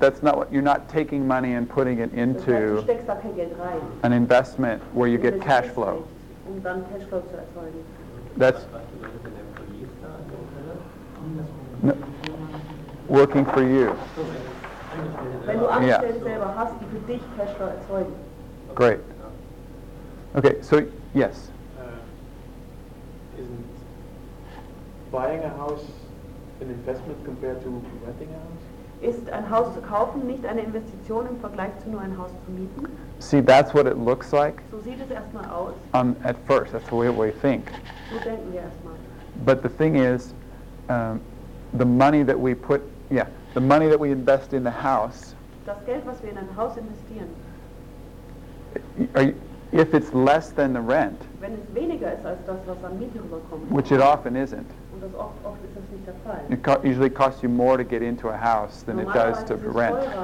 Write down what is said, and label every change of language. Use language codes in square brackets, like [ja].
[en] That's not what you're not taking money and putting it into [de] das heißt, du steckst da kein Geld rein. [en] An investment where you get cash flow. [de] Um dann cash flow zu erzeugen. [en] That's no, working for you. [de] Wenn du Angestellte selber hast, die für dich Cashflow erzeugen. [en] Great. Okay, so, yes. Isn't buying a house an investment compared to renting a house? [de] Ist ein Haus zu kaufen nicht eine Investition im Vergleich zu nur ein Haus zu mieten? [en] See, that's what it looks like. [de] So sieht es erstmal aus. [en] At first, that's the way we think. [de] So denken wir erstmal. [en] But the thing is, the money that we put, yeah, the money that we invest in the house, [de] das Geld, was wir in ein Haus investieren, [en] if it's less than the rent, [de] wenn es weniger ist als das, was an Miete rüberkommt, [en] which it often isn't, [de] und das oft ist das nicht der Fall, [en] it usually costs you more to get into a house than it does to rent.